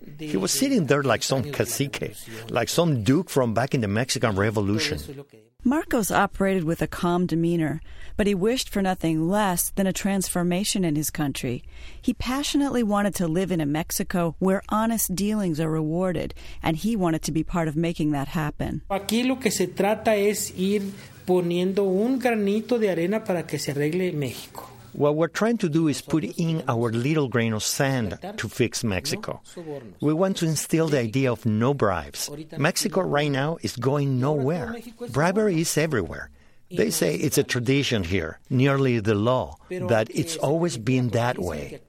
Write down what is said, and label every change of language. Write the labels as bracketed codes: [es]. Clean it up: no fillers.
[en] He was sitting there like some cacique, like some duke from back in the Mexican Revolution. Marcos operated with a calm demeanor, but he wished for nothing less than a transformation in his country. He passionately wanted to live in a Mexico where honest dealings are rewarded, and he wanted to be part of making that happen. [es] Aquí lo que se trata es ir poniendo un granito de arena para que se arregle México. [en] What we're trying to do is put in our little grain of sand to fix Mexico. We want to instill the idea of no bribes. Mexico right now is going nowhere. Bribery is everywhere. They say it's a tradition here, nearly the law, that it's always been that way.